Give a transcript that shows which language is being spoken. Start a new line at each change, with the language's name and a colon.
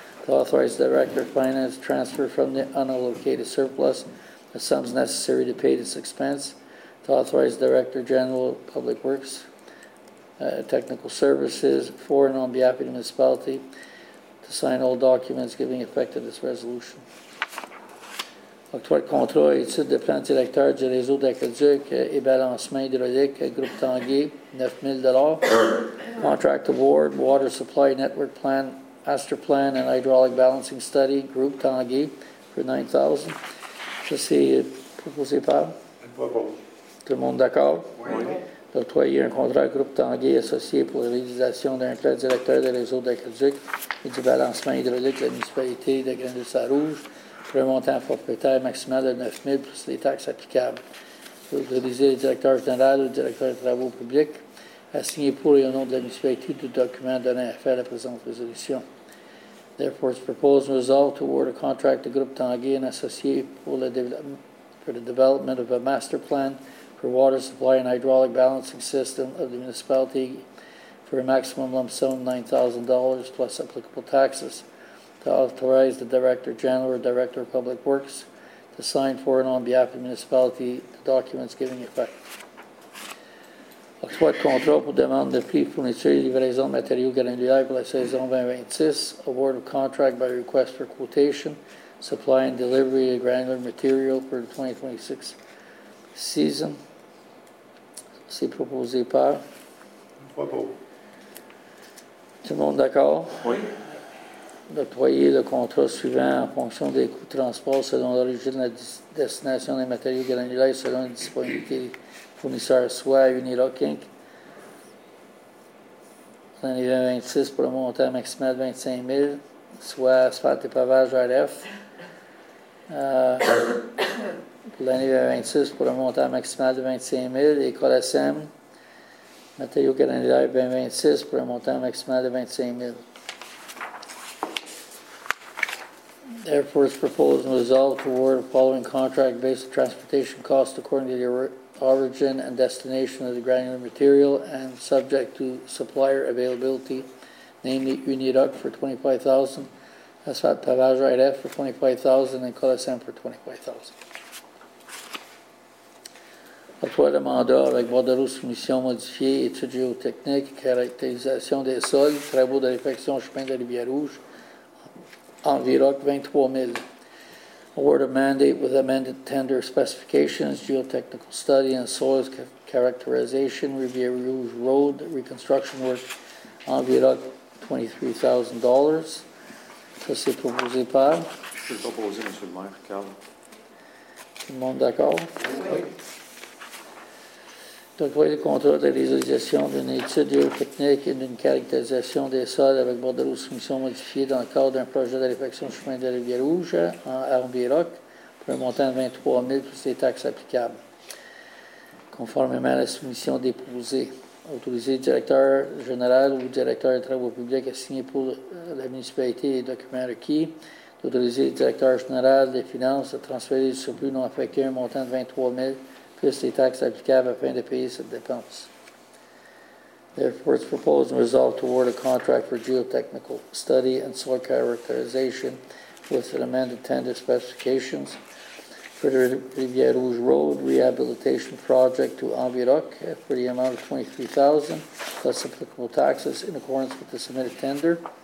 English: To authorize the Director of Finance transfer from the unallocated surplus the sums necessary to pay this expense. To authorize the Director General of Public Works Technical Services for and on behalf of the municipality to sign all documents giving effect to this resolution.
French: Octroie de contrat et étude de plan directeur du réseau d'aqueduc et balancement hydraulique Groupe Tanguay, $9,000.
English: Contract award, water supply network plan, master plan and hydraulic balancing study, Groupe Tanguay, for $9,000.
French: Ça, c'est proposé par? Propose. Tout le monde d'accord? Oui. D'octroyer un contrat Groupe Tanguay associé pour la réalisation d'un plan directeur du réseau d'aqueduc et du balancement hydraulique de la municipalité de Grenville-Sarrouge. Pour un montant forfaitaire maximal de 9 000 plus les taxes applicables. Vous autorisez le directeur général ou le directeur des travaux publics à signer pour et au nom de la municipalité du document donné à faire la présente résolution.
English: Therefore, it's proposed and resolved to award a contract to Groupe Tanguay and associé for the development of a master plan for water supply and hydraulic balancing system of the municipality for a maximum lump sum of $9,000 plus applicable taxes. to authorize the Director General or Director of Public Works to sign for and on behalf of the municipality the documents giving effect.
French: Octroi de contrat pour demande de prix fourniture et livraison de matériaux granulaires pour la saison 2026.
English: Award of contract by request for quotation. Supply and delivery of granular material for the 2026 season.
French: C'est proposé par. Propos. Tout le monde d'accord? Oui. D'octroyer le contrat suivant en fonction des coûts de transport selon l'origine de la destination des matériaux granulaires selon la disponibilité des fournisseurs, soit à Uniroc Inc. L'année 2026 pour un montant maximal de 25 000, soit asphalte et pavage RF. pour l'année 2026 pour un montant maximal de 25 000, et Colasem, matériaux granulaires 2026 pour un montant maximal de 25 000.
English: Air Force proposed and resolved to award the following contract based on transportation cost according to the origin and destination of the granular material and subject to supplier availability, namely Uniroc for $25,000, Asphalt Pavage Ride F for $25,000, and Colasem for $25,000.
French: Approval de mandat avec Bordeaux Soumission modifiée, études géotechniques, caractérisation des sols, travaux de réfection chemin de Rivière Rouge. Enviroc 23 000.
English: Award of mandate with amended tender specifications, geotechnical study and soils characterization, Rivière Rouge Road reconstruction work.
French: Enviroc $23,000. Ça, c'est proposé par. Je suis proposé, Monsieur le maire, Carl. Tout le monde d'accord? Oui. Donc, voyez le contrat de réalisation d'une étude géotechnique et d'une caractérisation des sols avec Bordeaux Soumission modifiée dans le cadre d'un projet de réfection du chemin de la Rivière Rouge en Enviroc pour un montant de 23 000 plus les taxes applicables, conformément à la soumission déposée. Autoriser le directeur général ou le directeur des travaux publics à signer pour la municipalité les documents requis. D'autoriser le directeur général des finances à transférer le surplus non affecté un montant de 23 000 plus les taxes applicables afin de payer cette dépense.
English: Therefore, it's proposed and resolved to award a contract for geotechnical study and soil characterization with an amended tender specifications for the Rivière Rouge Road Rehabilitation Project to Enviroc for the amount of $23,000 plus applicable taxes in accordance with the submitted tender.